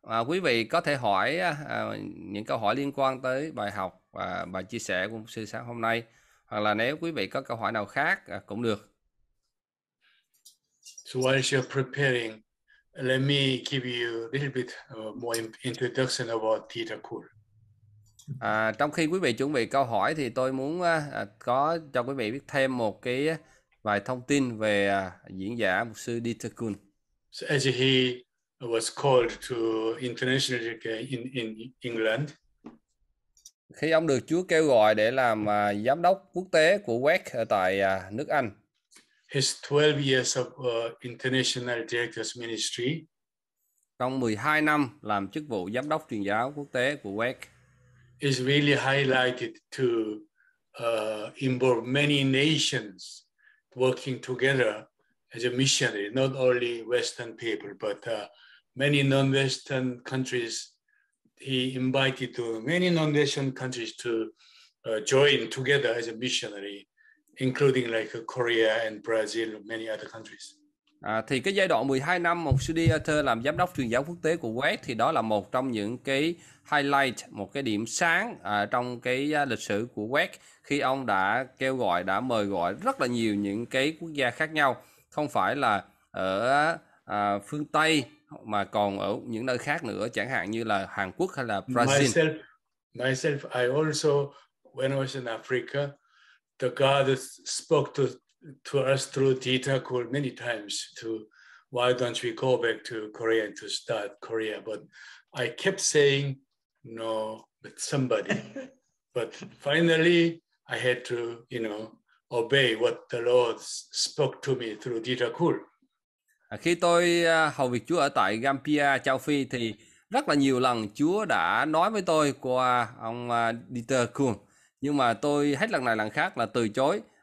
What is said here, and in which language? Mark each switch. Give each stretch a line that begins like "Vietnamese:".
Vietnamese: Quý vị có thể hỏi những câu hỏi liên quan tới bài học và bài chia sẻ của sư sáng hôm nay, hoặc là nếu quý vị có câu hỏi nào khác cũng được.
English: So while you're preparing, let me give you a little bit more introduction about Dieter Kuhl.
Vietnamese: Trong khi quý vị chuẩn bị câu hỏi thì tôi muốn có cho quý vị biết thêm một cái vài thông tin về diễn giả mục sư Dieter Kuhl.
English: So as he was called to international in England.
Vietnamese: Khi ông được Chúa kêu gọi để làm giám đốc quốc tế của WEC ở tại nước Anh.
English: His 12 years of international director's ministry.
Vietnamese: Trong 12 năm làm chức vụ giám đốc truyền giáo quốc tế của WEC.
English: Is really highlighted to involve many nations working together as a missionary, not only Western people, but many non-Western countries. He invited to many non-Western countries to join together as a missionary, including like Korea and Brazil, many other countries.
Vietnamese: Thì cái giai đoạn 12 năm mục sư Dieter làm giám đốc truyền giáo quốc tế của WEC thì đó là một trong những cái highlight, một cái điểm sáng trong cái lịch sử của WEC, khi ông đã kêu gọi, đã mời gọi rất là nhiều những cái quốc gia khác nhau, không phải là ở phương Tây mà còn ở những nơi khác nữa, chẳng hạn như là Hàn Quốc hay là Brazil.
English: Myself, I also, when I was in Africa, the God spoke to us through Dieter Kuhl many times to why don't we go back to Korea to start Korea, but I kept saying no with somebody but finally I had to obey what the Lord spoke to me through Dieter Kuhl.
Vietnamese: Khi tôi hầu việc Chúa ở tại Gambia, Châu Phi thì rất là nhiều lần Chúa đã nói với tôi qua ông Dieter Kuhl, nhưng mà tôi hết lần này lần khác là từ chối.